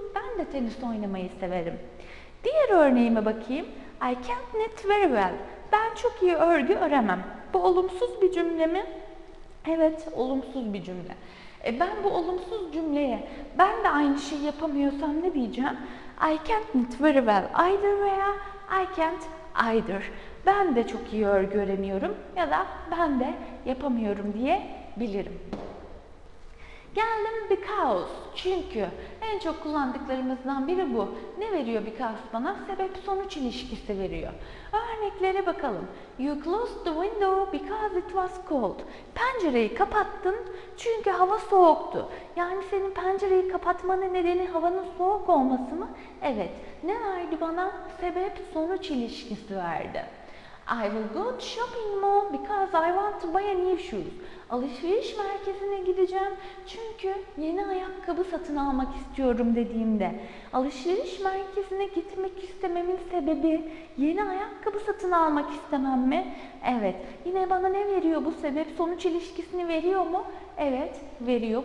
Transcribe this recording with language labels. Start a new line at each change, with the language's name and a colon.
Turkish: Ben de tenis oynamayı severim. Diğer örneğime bakayım.
English: I can't knit very well.
Turkish: Ben çok iyi örgü öremem. Bu olumsuz bir cümle mi? Evet, olumsuz bir cümle. Ben bu olumsuz cümleye, ben de aynı şeyi yapamıyorsam ne diyeceğim?
English: I can't knit very well either veya I can't either.
Turkish: Ben de çok iyi örgü öremiyorum ya da ben de yapamıyorum diyebilirim. Geldim because. Çünkü en çok kullandıklarımızdan biri bu. Ne veriyor because bana? Sebep-sonuç ilişkisi veriyor. Örneklere bakalım.
English: You closed the window because it was cold.
Turkish: Pencereyi kapattın çünkü hava soğuktu. Yani senin pencereyi kapatmanın nedeni havanın soğuk olması mı? Evet. Ne verdi bana? Sebep-sonuç ilişkisi verdi.
English: I will go to shopping mall because I want to buy a new shoes.
Turkish: Alışveriş merkezine gideceğim çünkü yeni ayakkabı satın almak istiyorum dediğimde. Alışveriş merkezine gitmek istememin sebebi yeni ayakkabı satın almak istemem mi? Evet. Yine bana ne veriyor bu sebep? Sonuç ilişkisini veriyor mu? Evet, veriyor.